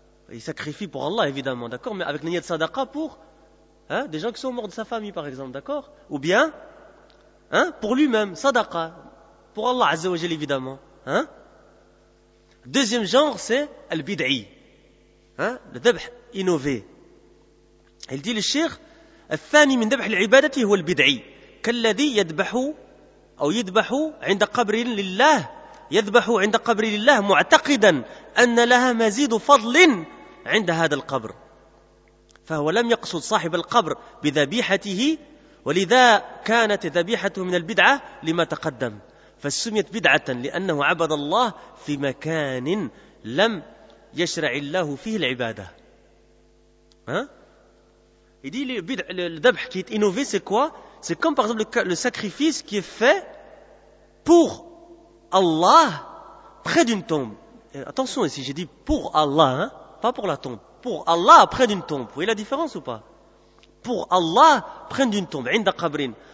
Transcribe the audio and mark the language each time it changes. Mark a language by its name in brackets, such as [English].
[French] Il sacrifie pour Allah, évidemment, d'accord? Mais avec l'niyat sadaqa pour hein? Des gens qui sont morts de sa famille, par exemple, d'accord? Ou bien, hein? Pour lui-même, sadaqa. Pour Allah, azza wa jal, évidemment. Hein? Deuxième genre, c'est al-bid'i. Hein? Le dhabh innové. Il dit le shir, [Arabic] الثاني من ذبح العبادة هو البدعي كالذي يذبح أو يذبح عند قبر لله يذبح عند قبر لله معتقدا أن لها مزيد فضل عند هذا القبر فهو لم يقصد صاحب القبر بذبيحته ولذا كانت ذبيحته من البدعة لما تقدم فسميت بدعة لأنه عبد الله في مكان لم يشرع الله فيه العبادة ها؟ [French] Il dit, le dhabh qui est innové, c'est quoi? C'est comme par exemple le sacrifice qui est fait pour Allah près d'une tombe. Et attention ici, j'ai dit pour Allah, hein, pas pour la tombe. Pour Allah près d'une tombe. Vous voyez la différence ou pas? Pour Allah près d'une tombe, [Arabic] inda qabrin.